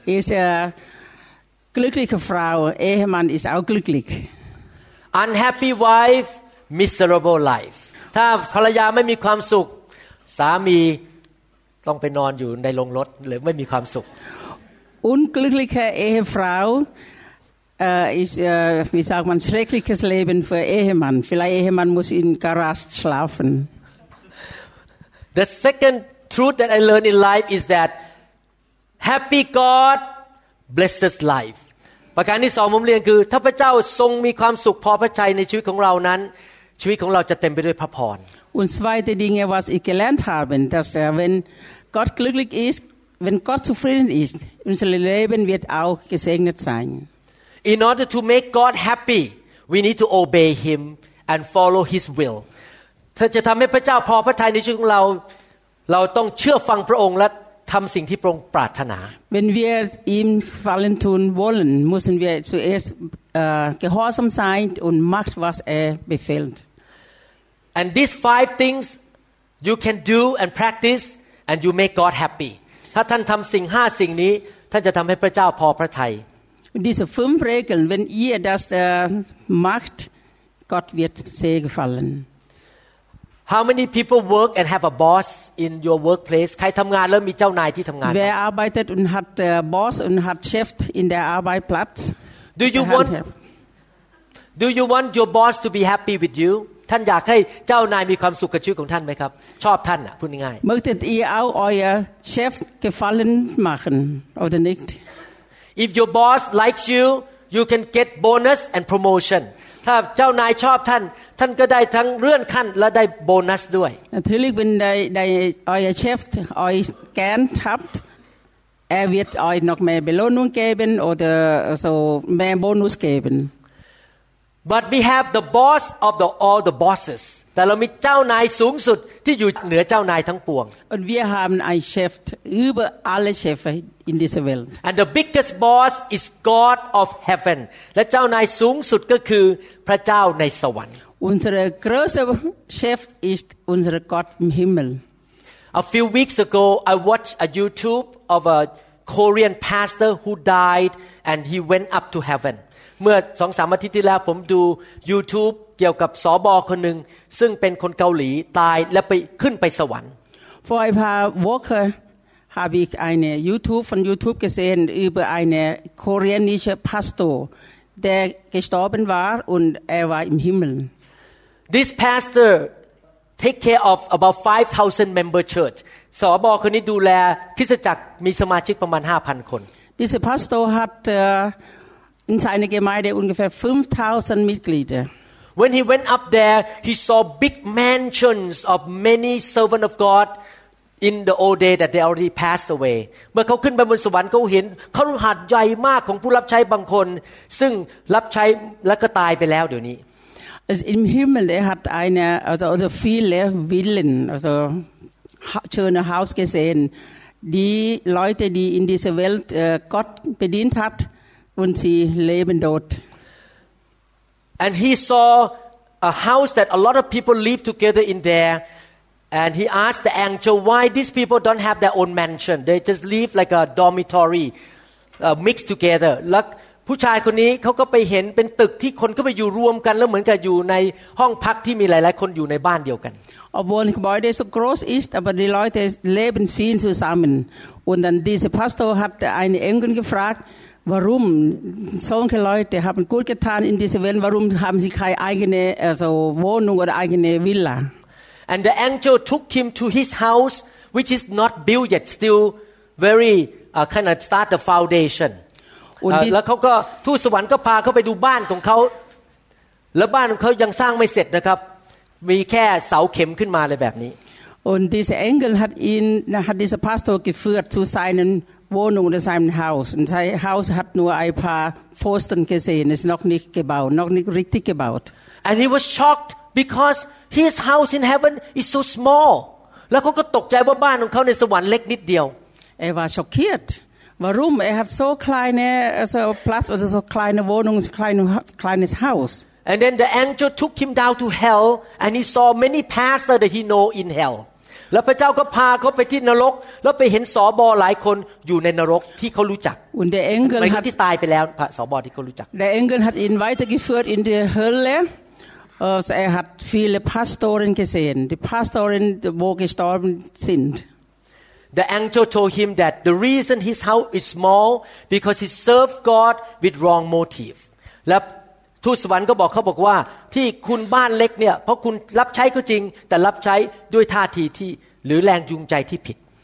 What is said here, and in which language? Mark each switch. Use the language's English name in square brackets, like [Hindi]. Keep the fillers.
[German] ist eine glückliche Frau, Ehemann ist auch glücklich. [English] unhappy wife miserable life [Thai] ถ้าภรรยาไม่มีความสุข สามีต้องไปนอนอยู่ในโรงรถหรือไม่มีความสุข [German] Unglückliche Ehefrau äh, ist, äh, wie sagt man, schreckliches Leben für Ehemann. Vielleicht Ehemann muss in Garage schlafen. [English] The second truth that I learned in life is that happy God blesses life [Thai] ประการที่สองผมเรียนคือ ถ้าพระเจ้าทรงมีความสุขพอพระทัยในชีวิตของเรานั้น ชีวิตของเราจะเต็มไปด้วยพระพร [German] Und zweite Dinge, was ich gelernt habe, dass äh, wenn Gott glücklich ist, wenn Gott zufrieden ist, unser Leben wird auch gesegnet sein. [English] In order to make God happy we need to obey Him and follow His will [Thai] ถ้าจะทำให้พระเจ้าพอพระทัยในชีวิตของเรา เราต้องเชื่อฟังพระองค์และทำสิ่งที่พระองค์ปรารถนา [German] Wenn wir ihm Gefallen tun wollen, müssen wir zuerst äh, gehorsam sein und macht, was er befehlt. [English] And these five things you can do and practice and you make God happy [Thai] ถ้าท่านทำสิ่งห้าสิ่งนี้ ท่านจะทำให้พระเจ้าพอพระทัย [German] Und diese fünf Regeln, wenn ihr das äh, macht, Gott wird sehr gefallen. [English] How many people work and have a boss in your workplace [Thai] ใครทำงานแล้วมีเจ้านายที่ทำงานไหม [German] Wer arbeitet und hat äh, Boss und hat Chef in der Arbeit Platz? [English] Do you [German] Hand [English] want [German] heben. [English] Do you want your boss to be happy with you [Thai] ท่านอยากให้เจ้านายมีความสุขกับชีวิตของท่านไหมครับ ชอบท่านอ่ะพูดง่าย [German] Möchtet ihr auch euer Chef gefallen machen oder nicht? [Thai] ๆ [English] If your boss likes you you can get bonus and promotion [Thai] ถ้าเจ้านายชอบท่าน ท่านก็ได้ทั้งเลื่อนขั้นและได้โบนัสด้วย [German] Natürlich, wenn der, der, euer Chef euch gern habt, er wird euch noch mehr Belohnung geben oder so mehr Bonus geben. [English] but we have the boss of the all the bosses [Thai] แต่เรามีเจ้านายสูงสุดที่อยู่เหนือเจ้านายทั้งปวง [German] Und wir haben einen Chef über alle Chefe in dieser Welt. [English] and the biggest boss is God of heaven [Thai] และเจ้านายสูงสุดก็คือพระเจ้าในสวรรค์ [German] Unser größter Chef ist unser Gott im Himmel. [English] A few weeks ago, I watched a YouTube of a Korean pastor who died and he went up to heaven. [Thai] เมื่อสองสามอาทิตย์ที่แล้วผมดู YouTube เกี่ยวกับสอบอคนหนึ่งซึ่งเป็นคนเกาหลีตายและไปขึ้นไปสวรรค์ [German] Vor ein paar Wochen habe ich eine YouTube von YouTube gesehen über einen koreanischen Pastor, der gestorben war und er war im Himmel. [English] This pastor take care of about 5,000 member church [Thai] สอบอคนนี้ดูแลคริสตจักรมีสมาชิกประมาณ 5,000 คน [German] Dieser Pastor hat äh, in seiner Gemeinde ungefähr 5000 Mitglieder. [English] When he went up there, he saw big mansions of many servants of God in the old day that they already passed away. [Thai] เมื่อเขาขึ้นไปบนสวรรค์เขาเห็นคฤหาสน์ใหญ่มากของผู้รับใช้บางคน ซึ่งรับใช้แล้วก็ตายไปแล้วเดี๋ยวนี้ [German] Also Im Himmel er hat eine, also, also viele Villen, also ha schöne Haus gesehen. Die Leute, die in dieser Welt äh, Gott bedient hat und sie leben dort. [English] And he saw a house that a lot of people live together in there. And he asked the angel why these people don't have their own mansion. They just live like a dormitory. [Thai] เอ่อ [English] mix together [Thai] แล้วผู้ชายคนนี้เขาก็ไปเห็นเป็นตึกที่คนก็ไปอยู่รวมกัน แล้วเหมือนกับอยู่ในห้องพักที่มีหลาย ๆ คนอยู่ในบ้านเดียวกัน [German] Obwohl ein Gebäude so groß ist, aber die Leute leben viel zusammen. Und dann dieser Pastor hat einen Engel gefragt, warum solche Leute haben gut getan in dieser Welt, warum haben sie keine eigene also Wohnung oder eigene Villa? [English] and the angel took him to his house which is not built yet still very uh, kind of start the foundation อุ่น เอ่อ ดิ [Thai] แล้วเขาก็ทูตสวรรค์ก็พาเขาไปดูบ้านของเขาแล้วบ้านของเขายังสร้างไม่เสร็จนะครับ มีแค่เสาเข็มขึ้นมาเลยแบบนี้ [German] Und dieser Engel hat ihn, hat dieser Pastor geführt zu seinen Wohnung oder seinem Haus. Und sein Haus hat nur ein paar Pfosten gesehen, ist noch nicht gebaut, noch nicht richtig gebaut. [English] and he was shocked because his house in heaven is so small [Thai] แล้วเขาก็ตกใจว่าบ้านของเขาในสวรรค์เล็กนิดเดียว [German] Er war schockiert. Warum? Er hat so kleine also Platz oder so kleine Wohnung, so kleine, kleines Haus. [English] and then the angel took him down to hell and he saw many pastors that he know in hell [Thai] แล้วพระเจ้าก็พาเขาไปที่นรก แล้วไปเห็นสอบอหลายคนอยู่ในนรกที่เขารู้จัก [German] Und der หมาย ถึ hat [Thai] งที่ตายไปแล้วพระสอบอที่เขารู้จัก [German] Der Engel hat ihn weitergeführt in die Hölle. Also er hat viele Pastoren gesehen, die Pastoren, wo gestorben sind. [English] The angel told him that the reason his house is small because he served God with wrong motive [Thai] และทูตสวรรค์ก็บอกเขาบอกว่าที่คุณบ้านเล็กเนี่ยเพราะคุณรับใช้ก็จริง แต่รับใช้ด้วยท่าทีที่หรือแรงจูงใจที่ผิด